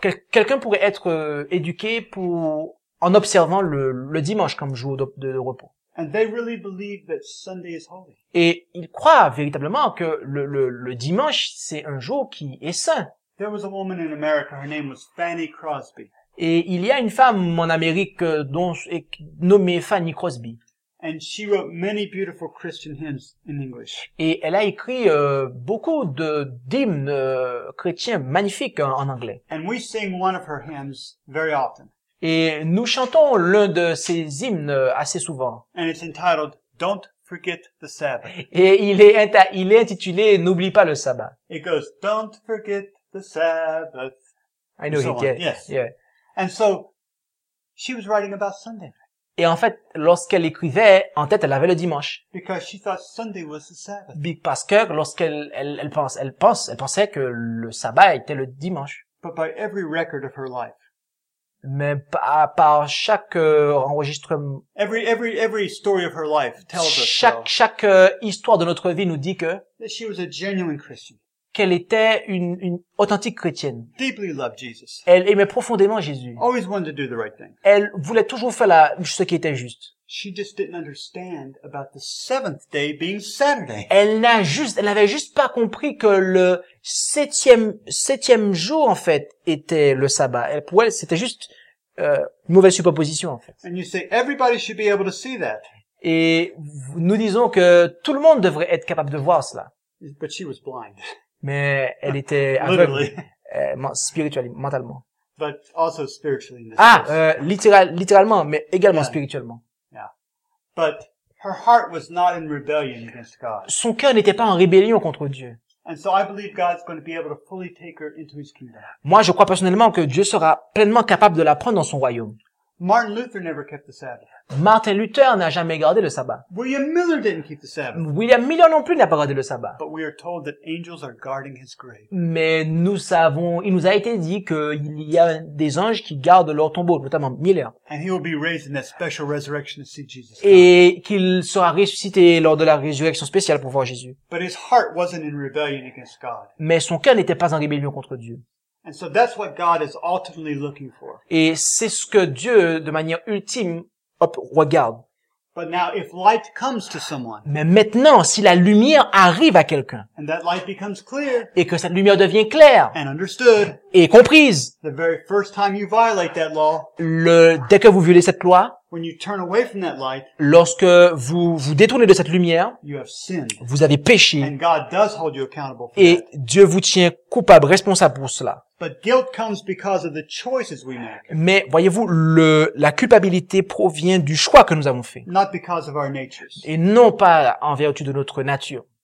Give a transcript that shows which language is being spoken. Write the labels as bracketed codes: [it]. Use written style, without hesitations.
[fr] Quelqu'un pourrait être éduqué pour en observant le dimanche comme jour de repos. [en] And they really believe that Sunday is holy. [fr] Et ils croient véritablement que le dimanche c'est un jour qui est saint. [en] There was a woman in America, her name was Fanny Crosby. [fr] Et il y a une femme en Amérique nommée Fanny Crosby. [en] And she wrote many beautiful Christian hymns in English. [fr] Et elle a écrit beaucoup d'hymnes chrétiens magnifiques en anglais. [en] And we sing one of her hymns very often. [fr] Et nous chantons l'un de ses hymnes assez souvent. [en] And it's entitled Don't Forget the Sabbath. [fr] Et il est intitulé N'oublie pas le sabbat. [en] It goes Don't Forget the Sabbath. I know it. Yes. Yeah. And so she was writing about Sunday. [fr] Et en fait, lorsqu'elle écrivait, en tête, elle avait le dimanche. [en] Because she thought Sunday was the Sabbath. [fr] Parce que lorsqu'elle pensait que le sabbat était le dimanche. [en] But by every record of her life. [fr] Mais par chaque enregistrement. [en] Every story of her life tells us. [fr] Chaque histoire de notre vie nous dit que. [en] That she was a genuine Christian. [fr] Qu'elle était une authentique chrétienne. [en] Deeply loved Jesus. [fr] Elle aimait profondément Jésus. [en] Always wanted to do the right thing. [fr] Elle voulait toujours faire ce qui était juste. [en] She just didn't understand about the seventh day being Saturday. [fr] Elle n'avait juste pas compris que le septième jour en fait était le sabbat. Pour elle, c'était juste une mauvaise superposition en fait. [en] And you say everybody should be able to see that. [fr] Et nous disons que tout le monde devrait être capable de voir cela. [en] But she was blind. [fr] Mais elle était aveugle, spirituellement, mentalement. [en] But also spiritually. [fr] Littéralement, mais également yeah. Spirituellement. [en] Yeah. But her heart was not in rebellion against God. [fr] Son cœur n'était pas en rébellion contre Dieu. [en] And so I believe God's going to be able to fully take her into His kingdom. [fr] Moi, je crois personnellement que Dieu sera pleinement capable de la prendre dans son royaume. [en] Martin Luther never kept the Sabbath. [fr] Martin Luther n'a jamais gardé le sabbat. [en] William Miller didn't keep the Sabbath. [fr] William Miller non plus n'a pas gardé le sabbat. [en] But we are told that angels are guarding his grave. [fr] Mais il nous a été dit qu'il y a des anges qui gardent leur tombeau, notamment Miller. [en] And he will be raised in that special resurrection to see Jesus. [fr] Et qu'il sera ressuscité lors de la résurrection spéciale pour voir Jésus. [en] But his heart wasn't in rebellion against God. [fr] Mais son cœur n'était pas en rébellion contre Dieu. [en] And so that's what God is ultimately looking for. [fr] Et c'est ce que Dieu, de manière ultime, regarde. [en] But now, if light comes to someone, [fr] mais maintenant, si la lumière arrive à quelqu'un, [en] and that light becomes clear, [fr] et que cette lumière devient claire, [en] and understood, [fr] et comprise, [en] the very first time you violate that law, [fr] dès que vous violez cette loi, [en] when you turn away from that light, [fr] lorsque vous vous détournez de cette lumière, [en] you have sinned, [fr] vous avez péché, [en] and God does hold you accountable for [fr] et [en] that. [fr] Dieu vous tient coupable, responsable pour cela. [en] But guilt comes because of the choices we make. [fr] Mais voyez-vous, la culpabilité provient du choix que nous avons fait. [en] Not because of our natures. [fr] Et non pas en vertu de notre nature.